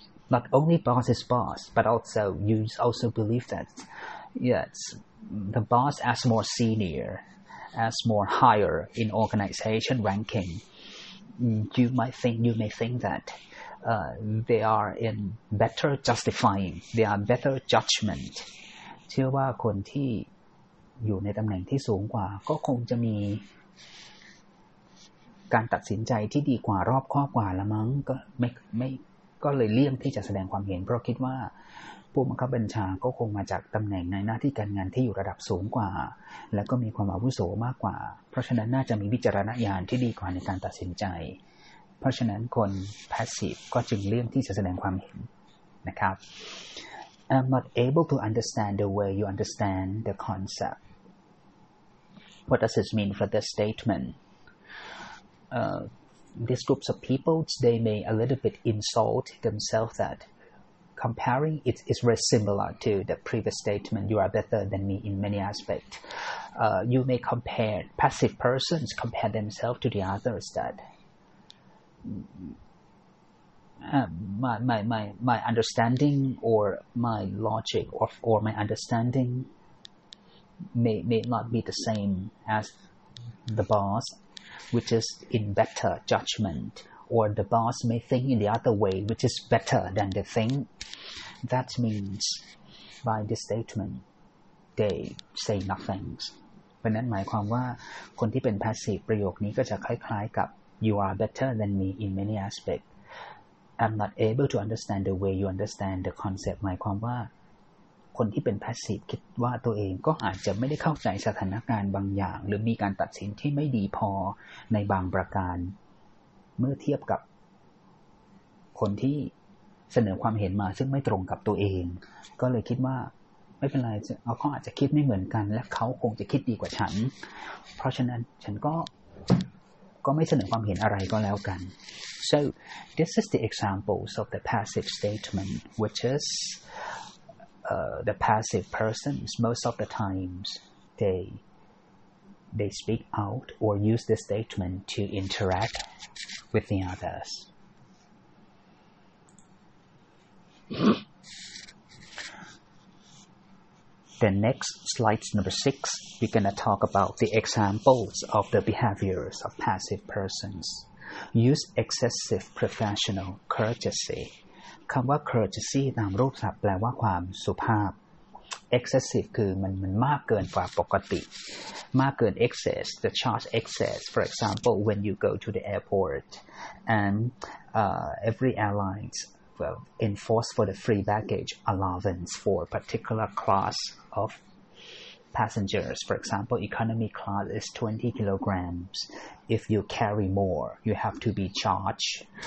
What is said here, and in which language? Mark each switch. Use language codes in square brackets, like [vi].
[en] not only boss is boss, but also you also believe that, yeah, it's the boss as more senior, as more higher in organization ranking. You may think that they are in better justifying, they are better judgment. [th] เชื่อว่าคนที่อยู่ในตำแหน่งที่สูงกว่าก็คงจะมีการตัดสินใจที่ดีกว่ารอบคอบกว่าละมั้งก็ไม่ก็เลยเลี่ยงที่จะแสดงความเห็นเพราะคิดว่าผู้บังคับบัญชาก็คงมาจากตำแหน่งในหน้าที่การงานที่อยู่ระดับสูงกว่าแล้วก็มีความอาวุโสมากกว่าเพราะฉะนั้นน่าจะมีวิจารณญาณที่ดีกว่าในการตัดสินใจเพราะฉะนั้นคน passive ก็จึงเลี่ยงที่จะแสดงความเห็นนะครับ [en] I'm not able to understand the way you understand the concept. What does this mean for this statement? These groups of people, they may a little bit insult themselves that comparing it's very similar to the previous statement, you are better than me in many aspects. You may compare passive persons, compare themselves to the others that my understanding or my logic or my understanding may not be the same as the boss, which is in better judgment, or the boss may think in the other way, which is better than the thing. That means by this statement, they say nothing. [th] เป็นนั้นหมายความว่าคนที่เป็น passive ประโยคนี้ก็จะคล้ายๆกับ [en] you are better than me in many aspects. I'm not able to understand the way you understand the concept. [th] หมายความว่าคนที่เป็น passive คิดว่าตัวเองก็อาจจะไม่ได้เข้าใจสถานการณ์บางอย่างหรือมีการตัดสินที่ไม่ดีพอในบางประการเมื่อเทียบกับคนที่เสนอความเห็นมาซึ่งไม่ตรงกับตัวเองก็เลยคิดว่าไม่เป็นไรเขาอาจจะคิดไม่เหมือนกันและเขาคงจะคิดดีกว่าฉันเพราะฉะนั้นฉันก็ไม่เสนอความเห็นอะไรก็แล้วกัน [en] So this is the examples of the passive statement, which is the passive persons. Most of the times, they speak out or use this statement to interact with the others. The next slide, number 6, we're going to talk about the examples of the behaviors of passive persons. Use excessive professional courtesy. [th] คำว่า courtesy ตามรูปศัพท์แปลว่าความสุภาพ excessive คือมันมากเกินกว่าปกติมากเกิน excess, [en] the charge excess. For example, when you go to the airport and every airlines will enforce for the free baggage allowance for particular class of passengers. For example, economy class is 20 kilograms. If you carry more, you have to be charged.